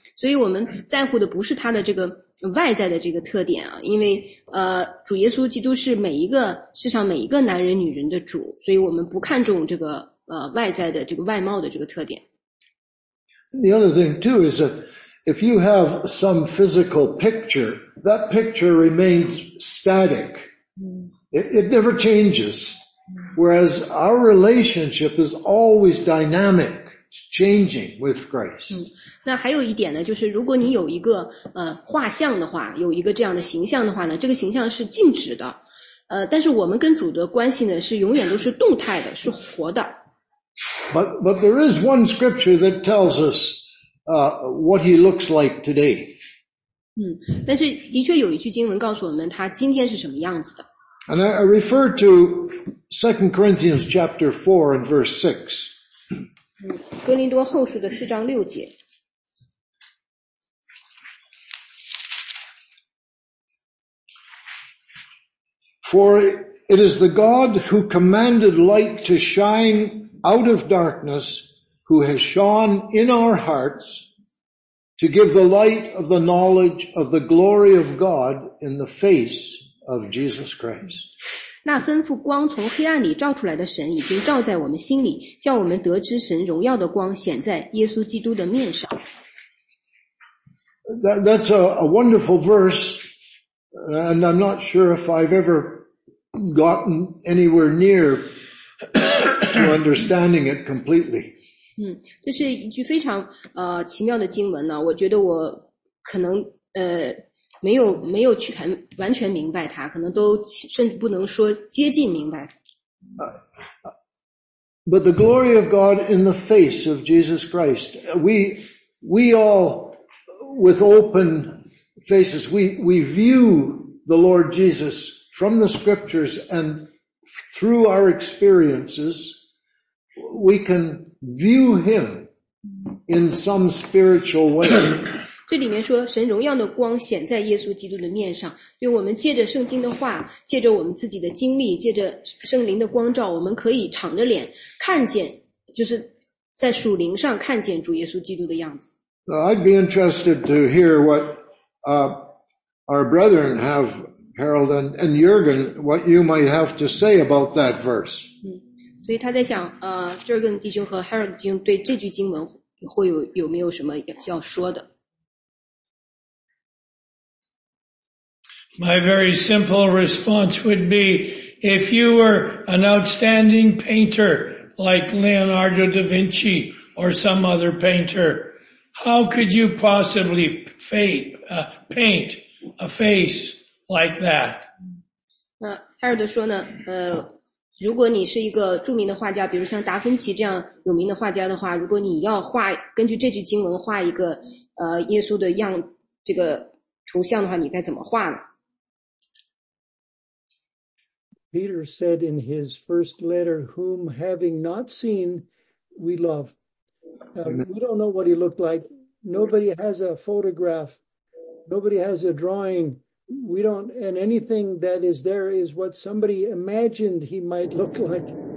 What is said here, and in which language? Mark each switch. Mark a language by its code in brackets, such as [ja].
[zh] 所以我们在乎的不是他的这个外在的这个特点啊，因为主耶稣基督是世上每一个男人女人的主，所以我们不看重这个外在的这个外貌的这个特点。 [en] The other thing too is that if you have some physical picture, that picture remains static. It never changes. Whereas our relationship is always dynamic, it's changing with Christ. [zh] 嗯，那还有一点呢，就是如果你有一个画像的话，有一个这样的形象的话呢，这个形象是静止的，但是我们跟主的关系呢是永远都是动态的，是活的。 [en] But there is one scripture that tells us what he looks like today. [zh] 嗯，但是的确有一句经文告诉我们他今天是什么样子的。 [en] And I refer to 2 Corinthians chapter 4 and verse 6. [zh] 哥林多后书的四章六节。 [en] For it is the God who commanded light to shine out of darkness, who has shone in our hearts to give the light of the knowledge of the glory of God in the face of Jesus Christ. [zh] 那吩咐光从黑暗里照出来的神已经照在我们心里，叫我们得知神荣耀的光显在耶稣基督的面上。 [en] That's a wonderful verse, and I'm not sure if I've ever gotten anywhere near to understanding it completely. [zh] 这是一句非常奇妙的经文呢，我觉得我可能没有全完全明白它，可能都甚至不能说接近明白。 [en] But the glory of God in the face of Jesus Christ, we all with open faces, we view the Lord Jesus from the scriptures and through our experiences, we can view him in some spiritual way. [zh] 这里面说神荣耀的光显在耶稣基督的面上，就我们借着圣经的话，借着我们自己的经历，借着圣灵的光照，我们可以敞着脸看见，就是在属灵上看见主耶稣基督的样子。 [en] I'd be interested to hear what our brethren have, Harold and Jürgen, what you might have to say about that verse. [zh] 所以他在想Jürgen 弟兄和 Harold 弟兄对这句经文会有没有什么要说的。 [en] My very simple response would be, if you were an outstanding painter like Leonardo da Vinci or some other painter, how could you possibly paint a face like that? [zh] 那 Harold 说呢，如果你是一个著名的画家，比如像达芬奇这样有名的画家的话，如果你要画，根据这句经文画一个耶稣的样子，这个图像的话，你该怎么画呢？ [en] Peter said in his first letter, whom having not seen, we love. We don't know what he looked like. Nobody has a photograph. Nobody has a drawing. We don't, and anything that is there is what somebody imagined he might look like.